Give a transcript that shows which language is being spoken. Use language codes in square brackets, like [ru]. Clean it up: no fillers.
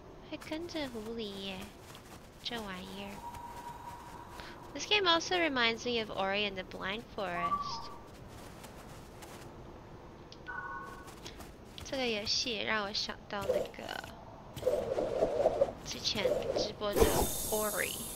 [zh] 还跟着狐狸耶，这玩意儿。 [en] This game also reminds me of Ori and the Blind Forest. [zh] 这个游戏让我想到那个之前直播的 Ori。